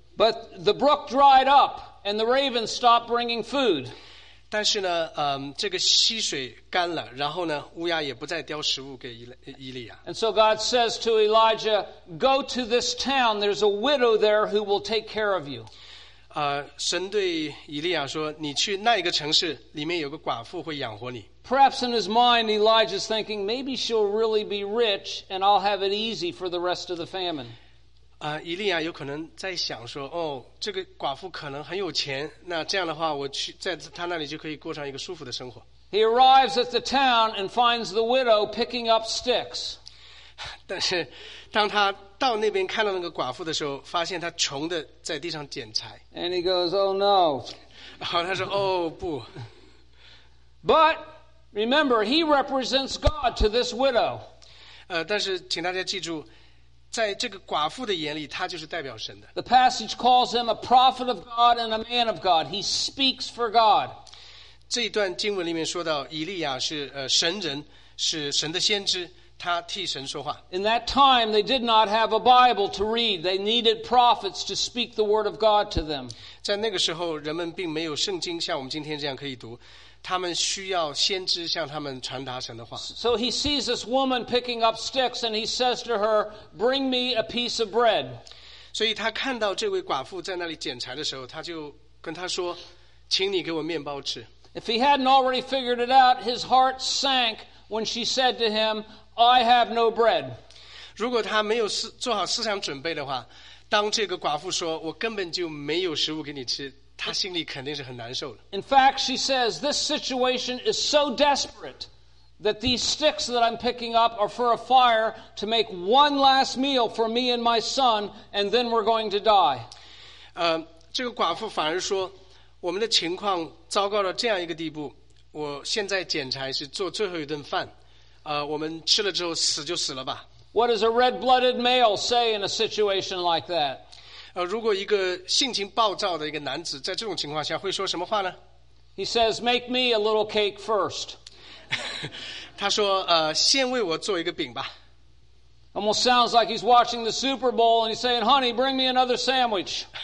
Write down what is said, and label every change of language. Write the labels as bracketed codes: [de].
[en] But the brook dried up and the ravens stopped bringing food. [zh] 但是呢，这个溪水干了，然后呢，乌鸦也不再叼食物给以利亚。 [en] And so God says to Elijah, "Go to this town. There's a widow there who will take care of you." [zh] 神对以利亚说，你去那一个城市，里面有个寡妇会养活你。 [en] Perhaps in his mind, Elijah is thinking maybe she'll really be rich, and I'll have it easy for the rest of the famine. [zh] 以利亚有可能在想说，哦，这个寡妇可能很有钱，那这样的话，我去在她那里就可以过上一个舒服的生活。 [en] He arrives at the town and finds the widow picking up sticks. [zh] 但是，当他到那边看到那个寡妇的时候，发现她穷的在地上捡柴。 [en] And he goes, "Oh no!" [zh] 然后他说，哦不。 [en] But remember, he represents God to this widow. [zh] 但是请大家记住，在这个寡妇的眼里，他就是代表神的。 [en] The passage calls him a prophet of God and a man of God. He speaks for God. [zh] 这一段经文里面说到，以利亚是神人，是神的先知，他替神说话。 [en] In that time, they did not have a Bible to read. They needed prophets to speak the word of God to them. [zh] 在那个时候，人们并没有圣经，像我们今天这样可以读。他们需要先知向他们传达神的话。 [en] So he sees this woman picking up sticks, and he says to her, "Bring me a piece of bread." [zh] 所以他看到这位寡妇在那里捡柴的时候，他就跟她说，请你给我面包吃。 [en] If he hadn't already figured it out, his heart sank when she said to him, "I have no bread." [zh] 如果他没有做好思想准备的话，当这个寡妇说，我根本就没有食物给你吃。他心里肯定是很难受的。 [en] In fact, she says, "This situation is so desperate that these sticks that I'm picking up are for a fire to make one last meal for me and my son, and then we're going to die." [zh] 这个寡妇反而说，我们的情况糟糕到这样一个地步，我现在捡柴是做最后一顿饭，我们吃了之后死就死了吧。 [en] What does a red-blooded male say in a situation like that? [zh] 如果一个性情暴躁的一个男子在这种情况下会说什么话呢 [en] ？He says, "Make me a little cake first." [zh] 他说，先为我做一个饼吧。 [en] Almost sounds like he's watching the Super Bowl and he's saying, "Honey, bring me another sandwich."